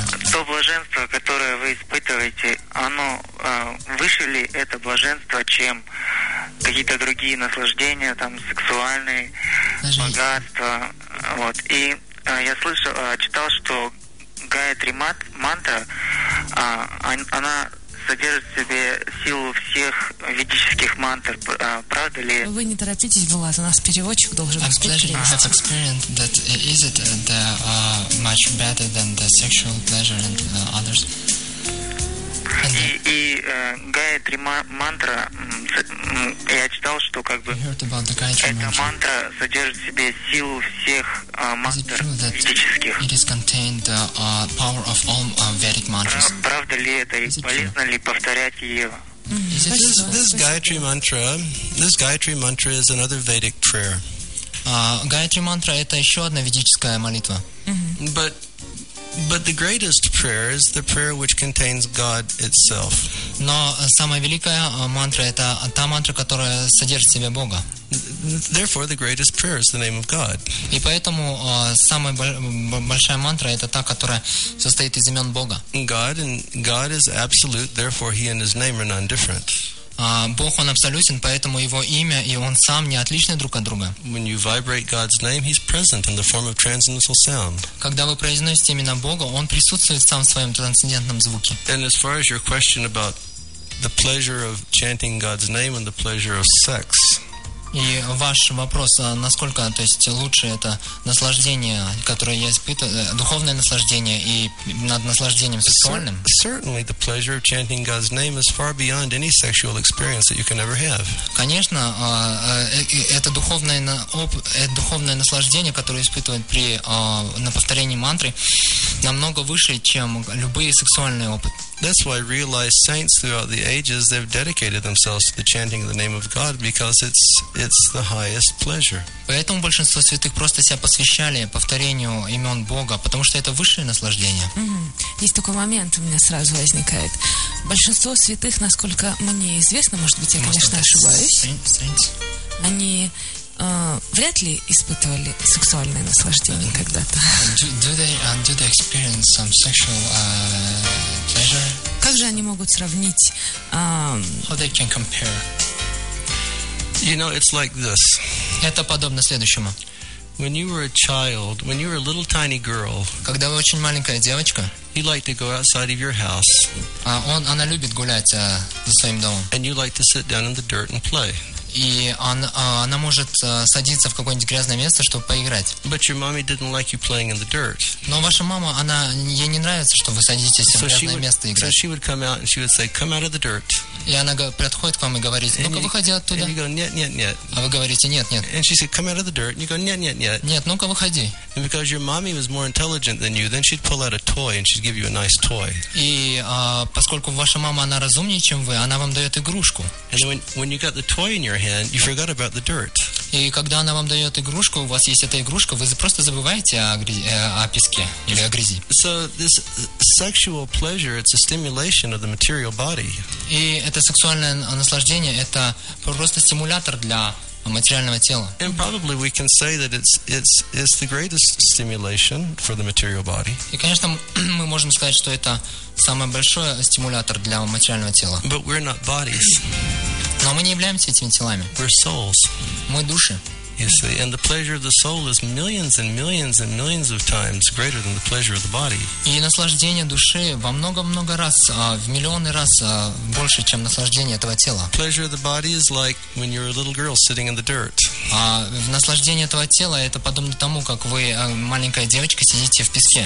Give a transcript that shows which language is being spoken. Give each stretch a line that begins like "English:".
Russian: То блаженство, которое вы испытываете, оно выше ли это блаженство, чем какие-то другие наслаждения, там, сексуальные, богатства, вот, и я слышал, читал, что Гаятри мантра, она содержит в себе силу всех ведических мантр. Правда ли? Вы не торопитесь, Булат, у нас переводчик должен быть.
English: Pleasure I have experienced that is it the much better than the sexual pleasure and others. And
Russian: и Гаятри мантра, я читал, что как бы эта мантра содержит в себе силу всех мантр ведических.
English: It is contained the power of all Vedic mantras.
Russian: Правда ли это и полезно ли повторять ее?
English: This Gayatri mantra, is another Vedic prayer.
Russian: Гаятри мантра это еще одна ведическая молитва.
English: But the greatest prayer is the prayer which contains God itself.
Russian: Но самая великая мантра это та мантра, которая содержит в себе Бога.
English: Therefore, the greatest prayer is the name of God.
Russian: И поэтому самая большая мантра это та, которая состоит из имен Бога.
English: God is absolute, therefore he and his name are none different.
Russian: Бог он абсолютен, поэтому его имя и он сам не отличны друг от друга.
English: When you vibrate God's name, he's present in the form of transcendental sound.
Russian: Когда вы произносите имя Бога, он присутствует сам в своем трансцендентном звуке.
English: And as far as your question about the pleasure of chanting God's name and the pleasure of sex.
Russian: И ваш вопрос, насколько, то есть, лучше это наслаждение, которое я испытываю, духовное наслаждение и над наслаждением сексуальным?
English: Certainly, the pleasure of chanting God's name is far beyond any sexual experience that you can ever have.
Russian: Конечно, это духовное наслаждение, которое испытывает при на повторении мантры, намного выше, чем любые сексуальные опыты.
English: That's why realized saints throughout the ages they've dedicated themselves to the chanting of the name of God because it's the highest pleasure.
Russian: Поэтому большинство святых просто себя посвящали повторению имен Бога, потому что это высшее наслаждение. Есть такой момент у меня сразу возникает. Большинство святых, насколько мне известно, может быть, я, конечно, ошибаюсь. Они вряд ли испытывали сексуальное наслаждение когда-то.
English: Do they experience some sexual pleasure?
Russian: Как же они могут сравнить?
English: How they can compare? You know, it's like this.
Russian: Это подобно следующему.
English: When you were a child, when you were a little tiny girl,
Russian: когда вы очень маленькая девочка,
English: you liked to go outside of your house.
Russian: Она любит гулять за своим домом.
English: And you liked to sit down in the dirt and play.
Russian: И она может садиться в какое-нибудь грязное место, чтобы поиграть.
English: But your mommy didn't like you playing in the dirt.
Russian: Но ваша мама, ей не нравится, что вы садитесь в грязное место играть.
English: So she would come out and she would say, "Come out of the dirt."
Russian: И она подходит к вам и говорит: "Ну-ка, выходи оттуда."
English: And you go,
Russian: "Нет, нет, нет." А вы говорите: "Нет, нет."
English: And she said, "Come out of the dirt." And you go,
Russian: "Нет, нет, нет." Нет, ну-ка, выходи.
English: And because your mommy was more intelligent than you, then she'd pull out a toy and she'd give you a nice toy.
Russian: И поскольку ваша мама она разумнее, чем вы, она вам дает игрушку.
English: And when you got the toy in your hand, you forgot about the dirt.
Russian: И когда она вам дает игрушку, у вас есть эта игрушка, вы просто забываете о песке или о грязи.
English: So this sexual pleasure, it's a stimulation of the material body.
Russian: И это сексуальное наслаждение, это просто стимулятор для материального тела.
English: And probably we can say that it's the greatest stimulation for the material body.
Russian: И, конечно, мы можем сказать, что это самый большой стимулятор для материального тела.
English: But we're not bodies.
Russian: Но мы не являемся этими телами.
English: We're souls.
Russian: Мы души.
English: You see, and the pleasure of the soul is millions and millions and millions of times greater than the pleasure of the body.
Russian: И наслаждение души во много-много раз, в миллионы раз больше, чем наслаждение этого тела.
English: Pleasure of the body is like when you're a little girl sitting in the dirt.
Russian: Наслаждение этого тела это подобно тому, как вы маленькая девочка сидите в песке.